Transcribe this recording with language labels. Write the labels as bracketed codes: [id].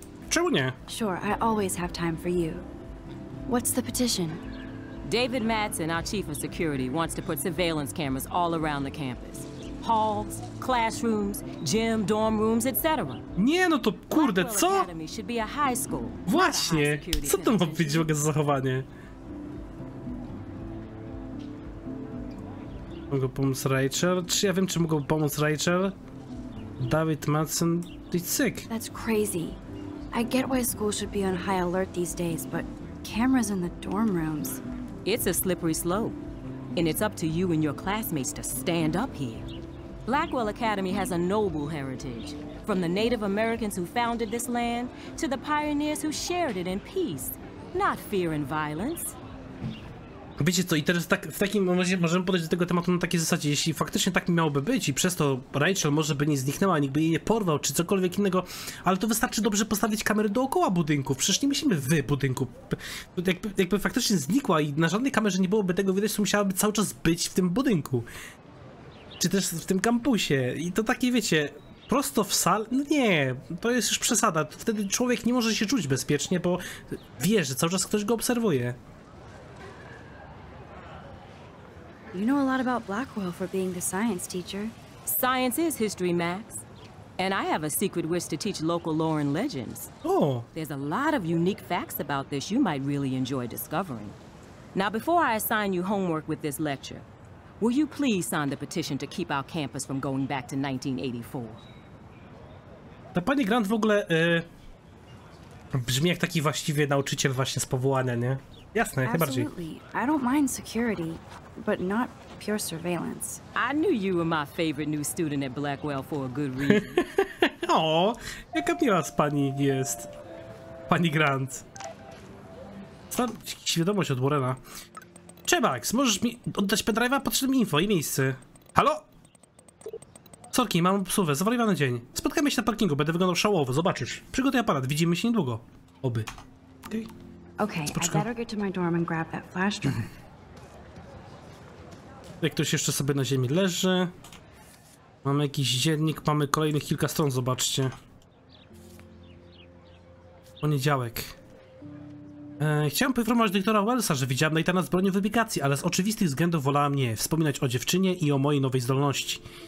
[pl] Czemu nie? [en] Sure, I always have time for you. What's the petition? David Mattson, our chief of security, wants to put surveillance cameras all around the campus. Halls, classrooms, gym, dorm rooms, etc. [pl] Nie, no to kurde, co? Właśnie. Co to ma być w ogóle za zachowanie? Mogę pomóc Rachel? Czy ja wiem, czy mogę pomóc Rachel? [en] David Mattson, he's sick. That's crazy. I get why school should be on high alert these days, but cameras in the dorm rooms. It's a slippery slope, and it's up to you and your classmates to stand up here. Blackwell Academy has a noble heritage, from the Native Americans who founded this land to the pioneers who shared it in peace, not fear and violence. [pl] Wiecie co, i teraz tak, w takim razie możemy podejść do tego tematu na takiej zasadzie, jeśli faktycznie tak miałoby być i przez to Rachel może by nie zniknęła, nikt by jej nie porwał, czy cokolwiek innego, ale to wystarczy dobrze postawić kamery dookoła budynku, przecież nie myślimy w budynku. Jakby faktycznie znikła i na żadnej kamerze nie byłoby tego widać, to musiałaby cały czas być w tym budynku. Czy też w tym kampusie. I to takie, wiecie, prosto w sal... No nie, to jest już przesada. Wtedy człowiek nie może się czuć bezpiecznie, bo wie, że cały czas ktoś go obserwuje. [en] You know a lot about Blackwell for being the science teacher. Science is history, Max. And I have a secret wish to teach local lore and legends. Oh. There's a lot of unique facts about this you might really enjoy discovering. Now, before I assign you homework with this lecture, will you please sign the petition to keep our campus from going back to 1984? [pl] Ta pani Grant w ogóle brzmi jak taki właściwie nauczyciel właśnie z powołania, nie? Jasne, chyba bardziej. [en] Absolutely. I don't mind security. But not pure surveillance. I knew you were my favorite new student at Blackwell for a good reason. [pl] Oh, jaka miła z pani jest. Pani Grant. Jakaś wiadomość od Warrena. Czebaks, możesz mi oddać pendrive'a? Potrzebne mi info i miejsce. Halo? Sorki, mam psówę. Zawaliwany dzień. Spotkamy się na parkingu. Będę wyglądał szałowo. Zobaczysz. Przygotuj aparat. Widzimy się niedługo. Oby. [en] Okej, okay, I better get to my dorm and grab that flash drive. [pl] Jak ktoś jeszcze sobie na ziemi leży. Mamy jakiś dziennik, mamy kolejnych kilka stron, zobaczcie. Poniedziałek. Chciałem poinformować dyrektora Wellsa, że widziałem Nathana z bronią w ubikacji, ale z oczywistych względów wolałam nie wspominać o dziewczynie i o mojej nowej zdolności.